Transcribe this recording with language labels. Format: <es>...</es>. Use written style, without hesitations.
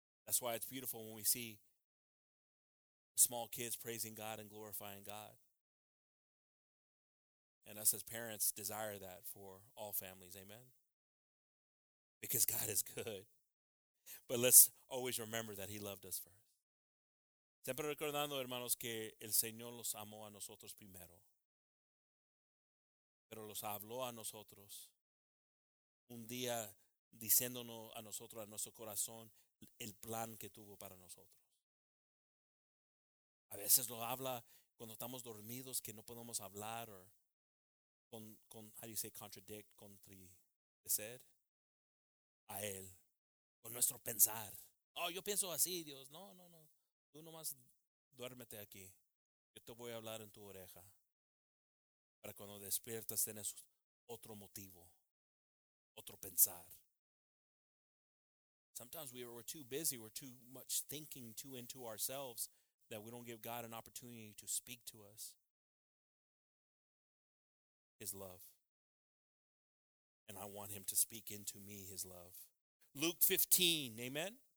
<en>That's why it's beautiful when we see small kids praising God and glorifying God. And us as parents desire that for all families, amen? Because God is good. But let's always remember that he loved us first.</en> <es>Siempre recordando, hermanos, que el Señor los amó a nosotros primero. Pero los habló a nosotros un día diciéndonos a nosotros, a nuestro corazón, el plan que tuvo para nosotros. A veces lo habla cuando estamos dormidos, que no podemos hablar, o con,</es> <en>how do you say, contradict,</en> <es>contradecer a él, con nuestro pensar. Oh, yo pienso así, Dios. No, no, no. Tú nomás duérmete aquí. Yo te voy a hablar en tu oreja. Para cuando despiertas tienes otro motivo, otro pensar.</es> <en>Sometimes we're too busy, we're too much thinking too into ourselves that we don't give God an opportunity to speak to us. His love. And I want him to speak into me his love. Luke 15, amen?</en>